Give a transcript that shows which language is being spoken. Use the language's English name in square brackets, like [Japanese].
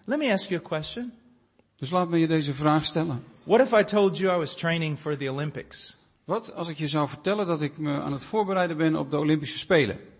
[English] Let me ask you a question. [Dutch] Dus laat me je deze vraag stellen. [English] What if I told you I was training for the Olympics? [Dutch] Wat als ik je zou vertellen dat ik me aan het voorbereiden ben op de Olympische Spelen?